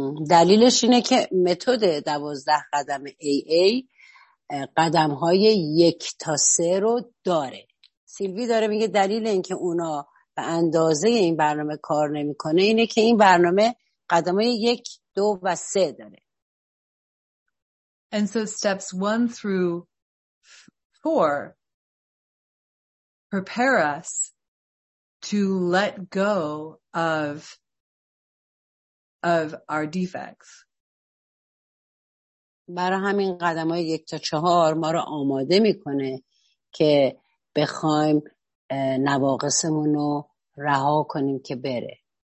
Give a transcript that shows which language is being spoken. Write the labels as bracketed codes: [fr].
[fa] دلیلش اینه که متد 12 قدم AA قدم‌های 1 تا 3 رو داره. سیلوی داره میگه دلیل اینکه اونا به اندازه این برنامه کار نمیکنه اینه که این برنامه قدمای 1, 2, and 3 داره. [en] And so steps 1 through 4 prepare us to let go of our defects. [fa] برای همین قدمای 1 to 4 ما رو آماده میکنه که بخوایم نواقصمون رو رها کنیم که بره.